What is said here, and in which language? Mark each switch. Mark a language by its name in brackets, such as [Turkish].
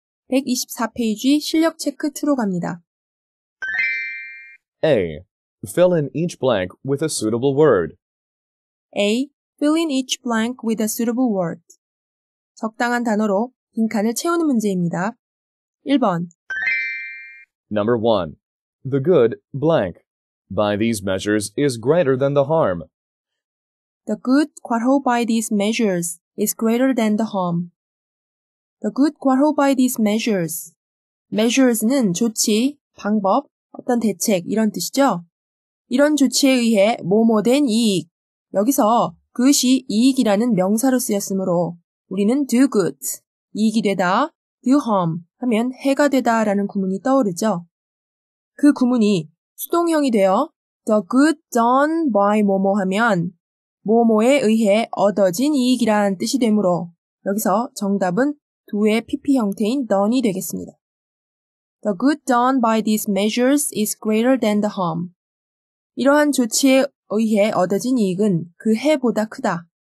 [Korean] 124페이지 실력 체크 2로 갑니다. [English] A. Fill in each blank with a suitable word. A. Fill in each blank with a suitable word. [Korean] 적당한 단어로 빈칸을 채우는 문제입니다. 1번. [English] Number 1. The good blank by these measures is greater than the harm. The good quarho by these measures is greater than the harm. The good quarho by these measures. [Korean] Measures는 조치, 방법, 어떤 대책 이런 뜻이죠. 이런 조치에 의해 뭐뭐 된 이익. 여기서 그것이 이익이라는 명사로 쓰였으므로 우리는 do good, 이익이 되다, do harm 하면 해가 되다 라는 구문이 떠오르죠. 그 구문이 수동형이 되어 [English] the good done by [Korean] 뭐뭐 하면 뭐뭐에 의해 얻어진 이익이라는 뜻이 되므로 여기서 정답은 do의 PP 형태인 done이 되겠습니다. [English] The good done by these measures is greater than the harm. [Korean] 이러한 조치에 의해 얻어진 이익은 그 해보다 크다.